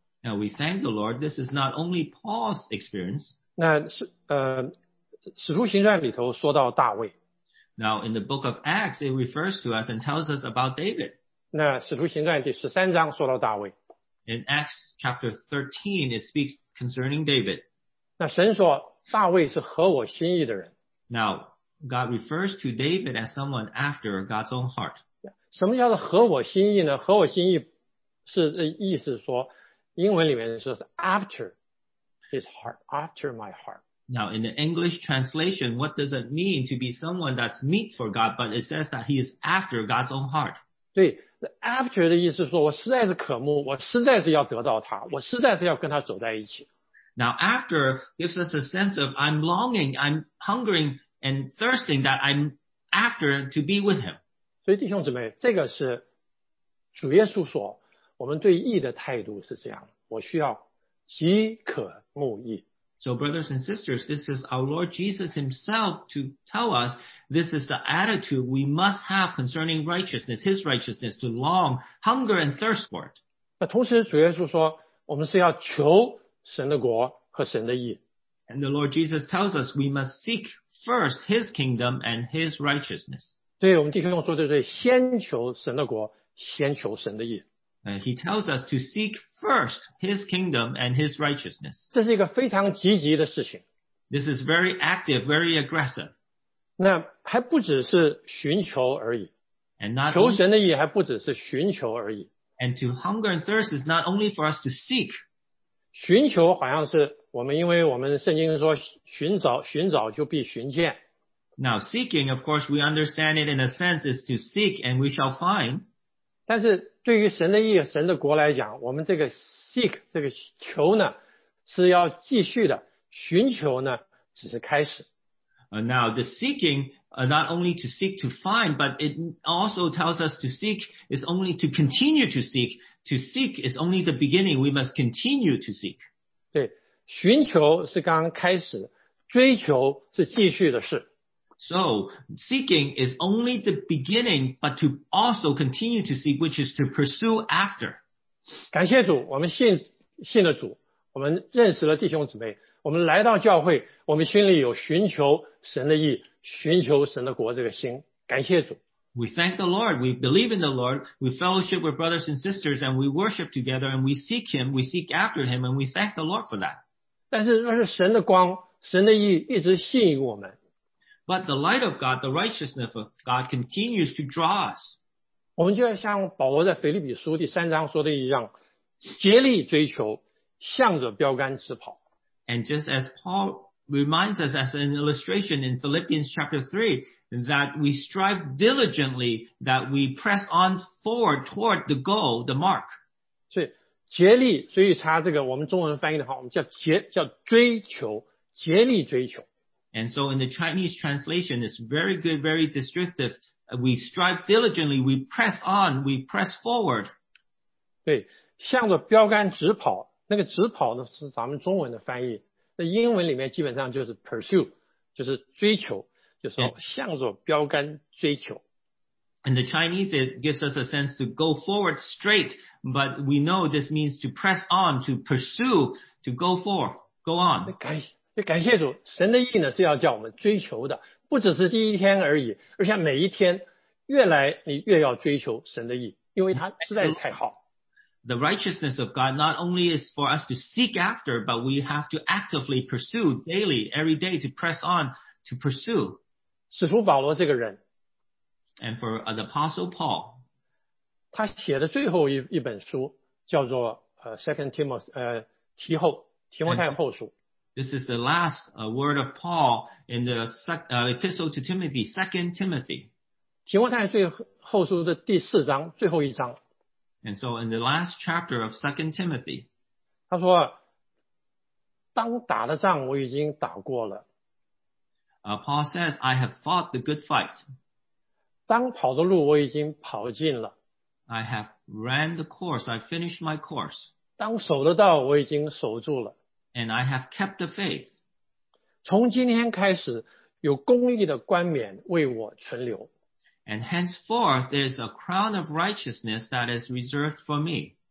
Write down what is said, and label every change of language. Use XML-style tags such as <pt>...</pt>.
<en>Now we thank the Lord, this is not only Paul's experience.</en> <zh>那使徒行传里头说到大卫。</zh> <en>Now, in the book of Acts, it refers to us and tells us about David.</en> <zh>那使徒行传第十三章说到大卫。</zh> <en>In Acts chapter 13, it speaks concerning David.</en> <zh>那神说大卫是合我心意的人。</zh> <en>Now, God refers to David as someone after God's own heart.</en> <zh>什么叫做合我心意呢？合我心意是意思说，英文里面说是</zh> <en>after his heart, after my heart. Now, in the English translation, what does it mean to be someone that's meet for God, but it says that he is after God's own heart?</en> <zh>对 after 的意思是说我实在是渴慕我实在是要得到他我实在是要跟他走在一起。</zh> <en>Now, after gives us a sense of I'm longing, I'm hungering and thirsting that I'm after to be with him.</en> <zh>所以弟兄姊妹这个是主耶稣说我们对义的态度是这样我需要饥渴慕义。</zh> <en>So brothers and sisters, this is our Lord Jesus himself to tell us this is the attitude we must have concerning righteousness, his righteousness, to long, hunger and thirst for it.</en> <zh>那同时主耶稣说我们是要求神的国和神的义。</zh> <en>And the Lord Jesus tells us we must seek first his kingdom and his righteousness.</en> <zh>对我们弟兄说对对先求神的国先求神的义。</zh> <en>And he tells us to seek first his kingdom and his righteousness.</en> <zh>这是一个非常积极的事情。</zh> <en>This is very active, very aggressive.</en> <zh>那还不只是寻求而已。</zh> <en>And not</en> <zh>求神的意还不只是寻求而已。</zh> <en>And to hunger and thirst is not only for us to seek.</en> <zh>寻求好像是我们因为我们圣经说寻找寻找就必寻见。</zh> <en>Now seeking, of course, we understand it in a sense is to seek and we shall find.</en> <zh>但是对于神的义和神的国来讲我们这个 seek 这个求呢是要继续的寻求呢只是开始。</zh> <en>Now the seeking not only to seek to find but it also tells us to seek is only to continue to seek is only the beginning we must continue to seek.</en> <zh>对寻求是刚刚开始追求是继续的事。</zh> <en>So, seeking is only the beginning, but to also continue to seek, which is to pursue after.</en> <zh>感谢主，我们信了主，我们认识了弟兄姊妹，我们来到教会，我们心里有寻求神的义，寻求神的国这个心。感谢主。</zh> <en>We thank the Lord. We believe in the Lord. We fellowship with brothers and sisters and we worship together and we seek Him. We seek after Him and we thank the Lord for that.</en> <zh>但是神的光神的义一直吸引我们。</zh> <en>But the light of God, the righteousness of God continues to draw us.</en> <zh>我们就要像保罗在腓立比书第三章说的一样竭力追求向着标杆直跑。</zh> <en>And just as Paul reminds us as an illustration in Philippians chapter 3, that we strive diligently, that we press on forward toward the goal, the mark.</en> <zh>所以竭力追查这个我们中文翻译的话我们叫追求竭力追求。</zh> <en>And so in the Chinese translation, it's very good, very descriptive. We strive diligently, we press on, we press forward.</en> <zh>对向着标杆直跑那个直跑呢是咱们中文的翻译。那英文里面基本上就是 pursue, 就是追求就是向着标杆追求。</zh> <en>In the Chinese, it gives us a sense to go forward straight, but we know this means to press on, to pursue, to go forward, go on.</en> <zh>感谢主，神的意呢是要叫我们追求的，不只是第一天而已，而且每一天越来你越要追求神的意，因为它实在是太好。</zh> <en>The righteousness of God not only is for us to seek after, but we have to actively pursue daily, every day to press on, to pursue.</en> <zh>使徒保罗这个人。</zh> <en>And for the Apostle Paul.</en> <zh>他写的最后一本书叫做 Second Timothy, 提摩太后书。</zh> <en>This is the last word of Paul in the epistle to Timothy, Second Timothy.</en> <zh>提摩太最后书的第四章最后一章。</zh> <en>And so in the last chapter of Second Timothy.</en> <zh>他说当打的仗我已经打过了。</zh> <en>Paul says, I have fought the good fight.</en> <zh>当跑的路我已经跑尽了。</zh> <en>I have ran the course, I finished my course.</en> <zh>当守的道我已经守住了。</zh> <en>And I have kept the faith.</en> <zh>从今天开始有公义的冠冕为我存留。</zh> <en>And henceforth, there is a crown of righteousness that is reserved for me.</en>